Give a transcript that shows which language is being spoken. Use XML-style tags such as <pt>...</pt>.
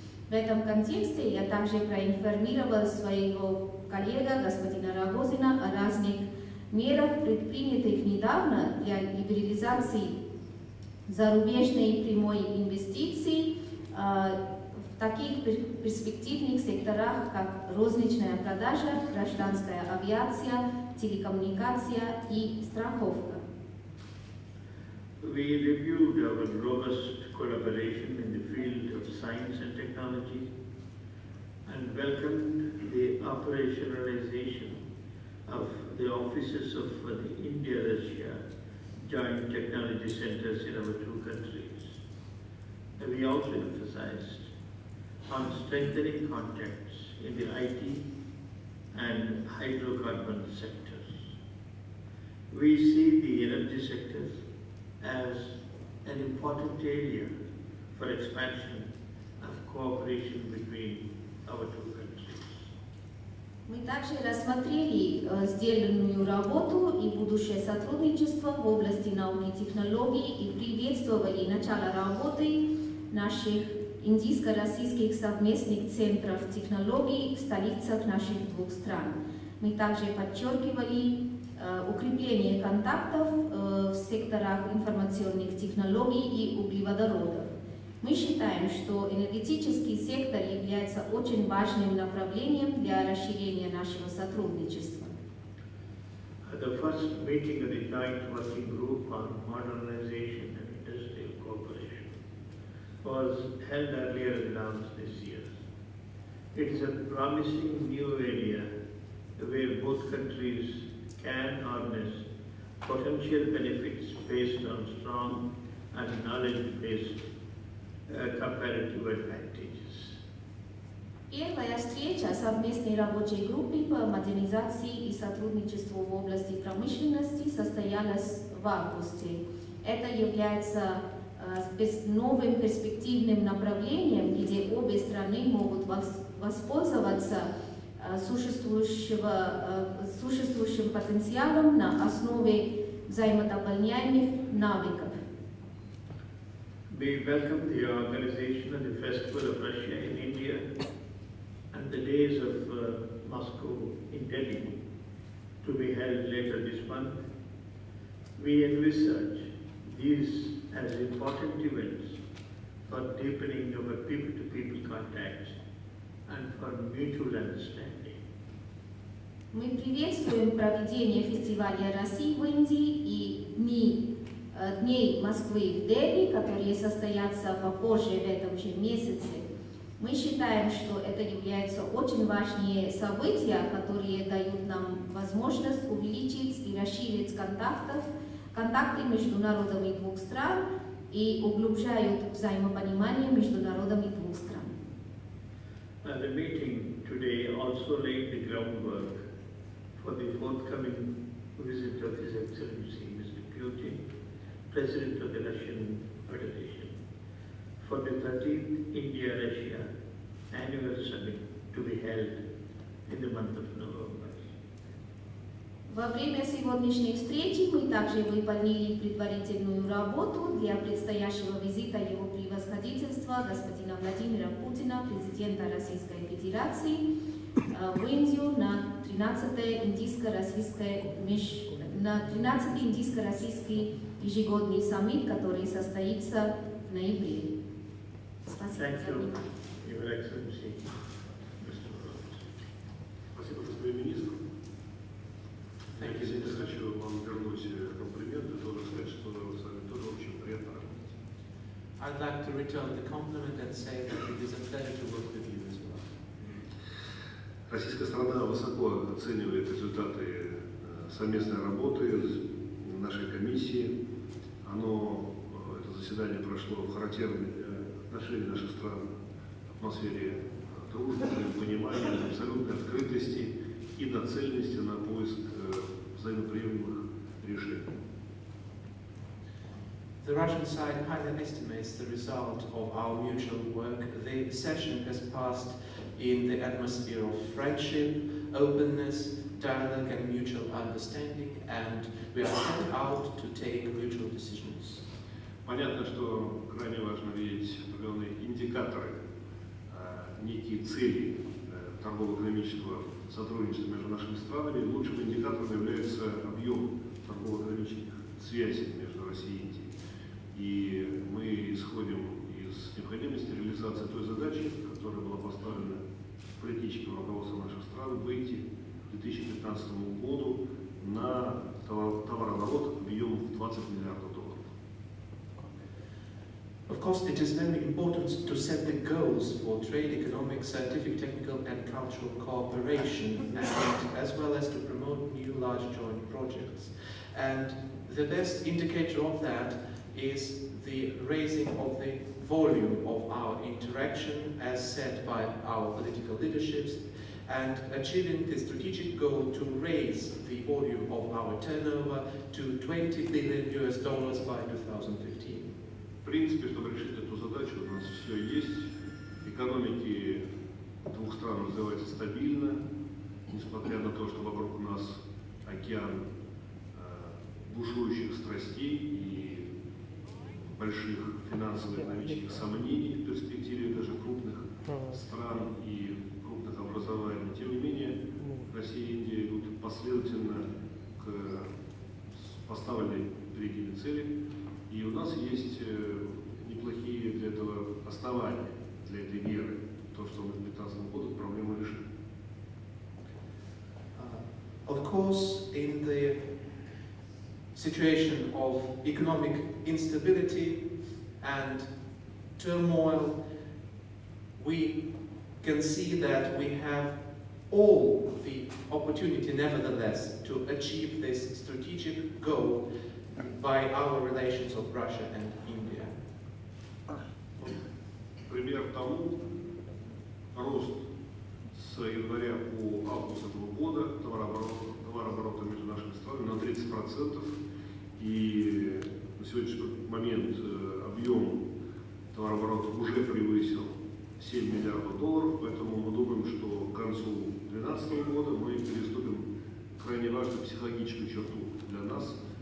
<ru>В этом контексте я также проинформировал своего коллега господина Рогозина о разных мерах, предпринятых недавно для либерализации зарубежной прямой инвестиции в таких перспективных секторах, как розничная продажа, гражданская авиация, телекоммуникация и страховка.</ru> <en>We reviewed our robust collaboration in the field of science and technology and welcomed the operationalization of the offices of the India-Russia joint technology centers in our two countries. And we also emphasized on strengthening contacts in the IT and hydrocarbon sectors. We see the energy sectors as an important area for expansion of cooperation between our two countries.</en> <ru>Мы также рассмотрели сделанную работу и будущее сотрудничество в области науки и технологий и приветствовали начало работы наших индийско-российских совместных центров технологий в столицах наших двух стран. Мы также подчеркивали укрепление контактов в секторах информационных технологий и углеводородов. Мы считаем, что энергетический сектор является очень важным направлением для расширения нашего сотрудничества.</ru> <en>The first meeting of the joint working group on modernization and industrial cooperation was held earlier in Laos this year. It is a promising new area where both countries can harness potential benefits based on strong and knowledge-based comparative advantages.</en> <ru>Первая встреча совместной рабочей группы по модернизации и сотрудничеству в области промышленности состоялась в августе. Это является новым перспективным направлением, где обе страны могут воспользоваться существующим потенциалом на основе взаимодополняемых навыков.</ru> <en>We welcome the organization of the Festival of Russia in India and the Days of Moscow in Delhi to be held later this month. We envisage these as important events for deepening our people-to-people contacts and for mutual understanding.</en> <ru>Мы приветствуем проведение фестиваля России в Индии и Дней Москвы в Дели, которые состоятся попозже в этом же месяце. Мы считаем, что это являются очень важные события, которые дают нам возможность увеличить и расширить контакты между народами двух стран и углубляют взаимопонимание между народами двух стран.</ru> <en>The meeting today also laid the groundwork for the forthcoming visit of His Excellency Mr. Putin, President of the Russian Federation, for the 13th India-Russia Annual Summit to be held in the month of November.</en> <ru>Во время сегодняшней встречи мы также выполнили предварительную работу для предстоящего визита Его Превосходительства господина Владимира Путина, президента Российской Федерации, в Индию на 13-й индийско-российский ежегодный саммит, который состоится в ноябре. Спасибо.</ru> <en>Thank you, Your Excellency.</en> <ru>Спасибо. Я хочу вам вернуть комплименты, тоже сказать, что вы сами тоже очень приятно работаете.</ru> <en>I'd like to return the compliment and say that it is a pleasure to work with you as well.</en> <ru>Российская страна высоко оценивает результаты совместной работы нашей комиссии. Это заседание прошло в характерной для отношений наших стран атмосфере дружбы, понимания, абсолютной открытости и нацеленности на поиск взаимоприемлемых решений.</ru> <en>The Russian side highly estimates the result of our mutual work. The session has passed in the atmosphere of friendship, openness, dialogue and mutual understanding, and we are set out to take mutual decisions.</en> <ru>Понятно, что крайне важно видеть определенные индикаторы, некие цели торгово-экономического сотрудничества между нашими странами. Лучшим индикатором является объем торгово-экономических связей между Россией и Индией. И мы исходим из необходимости реализации той задачи, которая была поставлена политическим руководством наших стран, выйти к 2015 году на товарооборот объем в 20 миллиардов долларов.</ru> <en>Of course, it is very important to set the goals for trade, economic, scientific, technical and cultural cooperation, and as well as to promote new large joint projects. And the best indicator of that is the raising of the volume of our interaction as set by our political leaderships, and achieving the strategic goal to raise the volume of our turnover to $20 billion by 2015.</en> <ru>В принципе, чтобы решить эту задачу, у нас все есть. Экономики двух стран развиваются стабильно, несмотря на то, что вокруг нас океан бушующих страстей и больших финансовых экономических сомнений в перспективе даже крупных стран и крупных образований. Тем не менее, Россия и Индия идут последовательно к поставленной перед ними цели. И у нас есть неплохие для этого основания, для этой веры. То, что мы в 2015 году проблему решим.</ru> <en>Of course, in the situation of economic instability and turmoil, we can see that we have all the opportunity, nevertheless, to achieve this strategic goal by our relations of Russia and India.</en> <ru>Пример тому, рост с января по август этого года товарооборота между нашими странами на 30%. И на сегодняшний момент объем товарооборота уже превысил 7 миллиардов долларов, поэтому мы думаем, что к концу 2012 года мы переступим крайне важную психологическую черту для нас.</ru>